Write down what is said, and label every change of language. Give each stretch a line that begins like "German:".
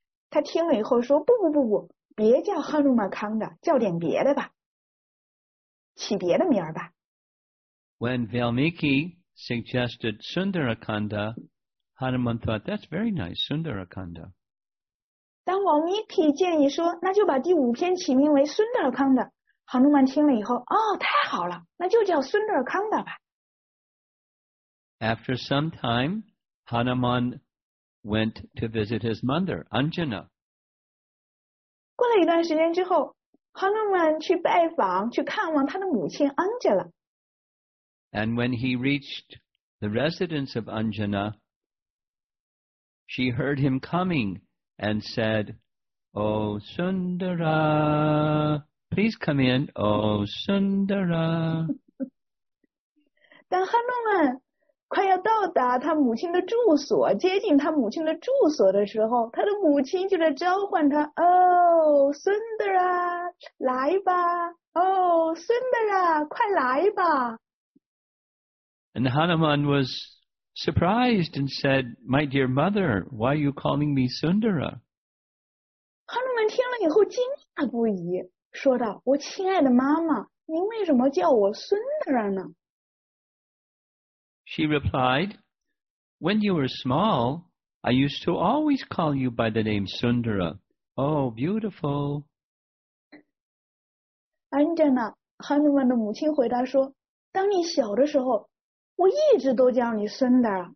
Chinese: 他听了以后说，不，别叫 Hanuman Kanda, 叫点别的吧。起别的名儿吧。
English: When Valmiki suggested Sundara Kanda, Hanuman thought, that's very nice, Sundara Kanda.
Chinese: 当 Valmiki 建议说，那就把第五篇起名为 Sundara Kanda。韩努曼听了以后，哦，太好了，那就叫孙德尔康达吧。
English: After some time, Hanuman went to visit his mother, Anjana.
Chinese: 过了一段时间之后，韩努曼去拜访、去看望他的母亲 Anjana。
English: And when he reached the residence of Anjana, she heard him coming and said, "Oh, Sundara." Please come in, oh Sundara.
Chinese: 当 Hanuman 快要到达他母亲的住所，接近他母亲的住所的时候，他的母亲就在召唤他：“哦，孙德啊，来吧！哦，孙德啊，快来吧！”
English: And Hanuman was surprised and said, "My dear mother, why are you calling me Sundara?"
Chinese: 听了以后惊讶不已，说道：“我亲爱的妈妈，您为什么叫我孙女儿呢
English: She replied, "When you were small, I used to always call you by the name Sundara. Oh, beautiful."
Chinese: ？”Anjana Hanuman 的母亲回答说：“当你小的时候，我一直都叫你孙女儿。